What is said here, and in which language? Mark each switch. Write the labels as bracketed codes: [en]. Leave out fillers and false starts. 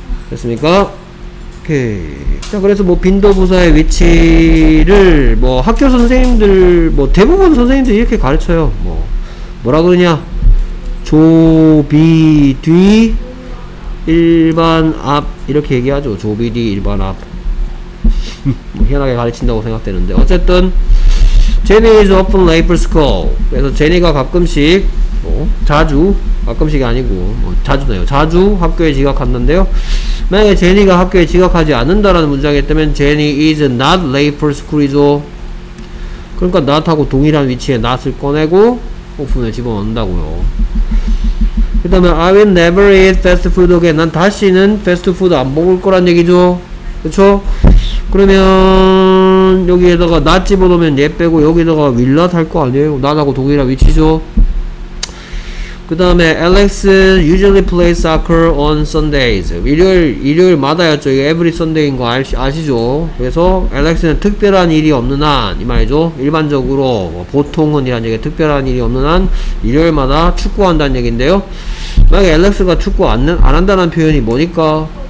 [ko] 됐습니까? 오케이. 자, 그래서 뭐 빈도 부사의 위치를 뭐 학교 선생님들 뭐 대부분 선생님들 이렇게 가르쳐요. 뭐 뭐라 그러냐? 조, 비, 뒤, 일반, 앞 이렇게 얘기하죠. 조, 비, 뒤, 일반, 앞. 뭐 희한하게 가르친다고 생각되는데 어쨌든 [en] Jenny is often late for school. [ko] 그래서 제니가 가끔씩 뭐 자주 가끔씩이 아니고 뭐 자주네요. 자주 학교에 지각한다는데요. 만약에 제니가 학교에 지각하지 않는다라는 문장이 있다면 [en] Jenny is not late for school [ko] 이죠. 그러니까 not하고 동일한 위치에 not을 꺼내고 often을 집어넣는다고요. 그 다음에 [en] I will never eat fast food again. [ko] 난 다시는 fast food 안 먹을 거란 얘기죠. 그쵸? 그러면 여기에다가 not 집어넣으면 얘 빼고 여기다가 will not 할 거 아니에요. not하고 동일한 위치죠. 그 다음에 [en] Alex usually plays soccer on Sundays. [ko] 일요일마다였죠. 이게 every Sunday인 거 아시죠? 그래서 Alex는 특별한 일이 없는 한 이 말이죠. 일반적으로 뭐 보통은 이란 얘기 특별한 일이 없는 한 일요일마다 축구한다는 얘기인데요. 만약에 Alex가 축구 안 한다는 표현이 뭐니까?